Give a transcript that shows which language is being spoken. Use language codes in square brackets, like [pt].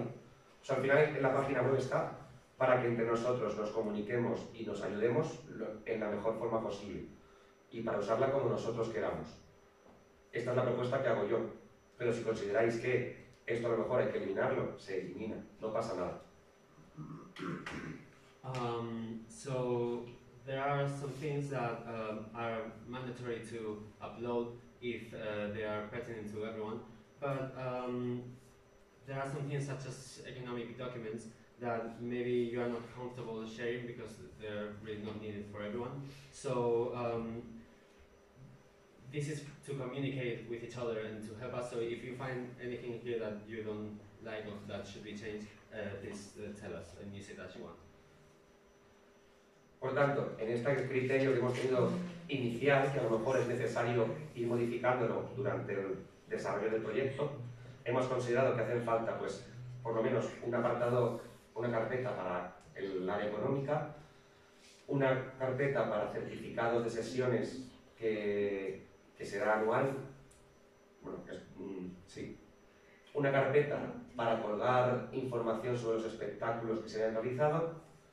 [es] O sea, al final en la página web está para que entre nosotros nos comuniquemos y nos ayudemos en la mejor forma posible y para usarla como nosotros queramos. Esta es la propuesta que hago yo, pero si consideráis que esto a lo mejor hay que eliminarlo, se elimina, no pasa nada. [en] So there are some things that are mandatory to upload if they are pertinent to everyone, but there are some things such as economic documents that maybe you are not comfortable sharing because they're really not needed for everyone. So this is to communicate with each other and to help us. So if you find anything here that you don't like or that should be changed, please tell us and use it as you want. [es] Por tanto, en este criterio que hemos tenido inicial, que a lo mejor es necesario ir modificándolo durante el desarrollo del proyecto, hemos considerado que hacen falta, pues, por lo menos un apartado, una carpeta para el área económica, una carpeta para certificados de sesiones que será anual, bueno, es, sí, una carpeta para colgar información sobre los espectáculos que se hayan realizado,